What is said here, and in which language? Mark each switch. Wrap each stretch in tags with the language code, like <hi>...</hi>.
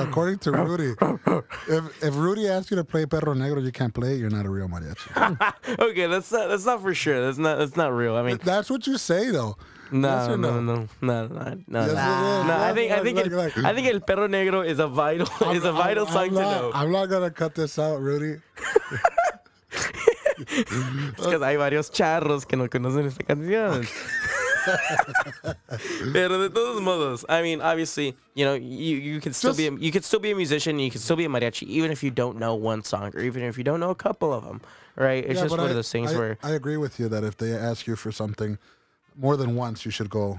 <en>According to Rudy, if Rudy asks you to play Perro Negro, you can't play it. You're not a real mariachi. Okay, that's not for sure. That's not real. I mean, that's what you say though. No. I think El Perro Negro is a vital song not, to know. I'm not gonna cut this out, Rudy. Because</en> <es>hay varios charros que no conocen esta canción. Pero de todos modos,</es> <en>I mean, obviously, you know, you could still be a musician, and you could still be a mariachi, even if you don't know one song, or even if you don't know a couple of them, right? It's yeah, just one of those things where I agree with you that if they ask you for something more than once, you should go.</en>